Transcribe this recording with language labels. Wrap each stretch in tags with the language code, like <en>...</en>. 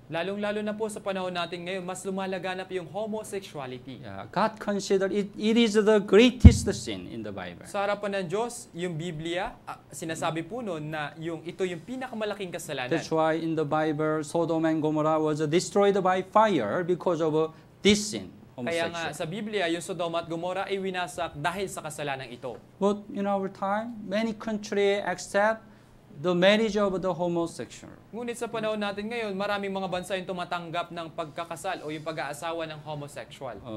<tl>Lalong-lalo na po sa panahon natin ngayon, mas lumalaganap yung homosexuality.</tl> <en>God considered it is the greatest sin in the Bible.</en> <tl>Sa harapan ng Diyos, yung Biblia, sinasabi po noon na ito yung pinakamalaking kasalanan.</tl> <en>That's why in the Bible, Sodom and Gomorrah was destroyed by fire because of this sin.</en> <tl>Kaya nga sa Biblia, yung Sodom at Gomorrah ay winasak dahil sa kasalanan ito.</tl> <en>But in our time, many countries accept the marriage of the homosexual.</en> <tl>Ngunit sa panahon natin ngayon, maraming mga bansa yung tumatanggap ng pagkakasal o yung pag-aasawa ng homosexual.</tl>